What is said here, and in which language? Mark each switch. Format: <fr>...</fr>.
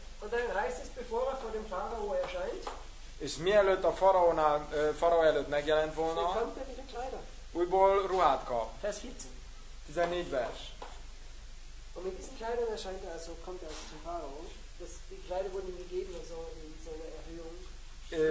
<de>Und dann reist es bevor er vor dem Pharao erscheint.</de> <hu>És mielőtt a faraó előtt megjelent volna. Újból ruhát kap.</hu> <de>Vers 14.</de> <hu>14 vers.</hu> <de>Und mit diesen Kleidern erscheint er, also kommt er zum Pharao. Die Kleider wurden ihm gegeben, also in seiner Erhöhung.</de>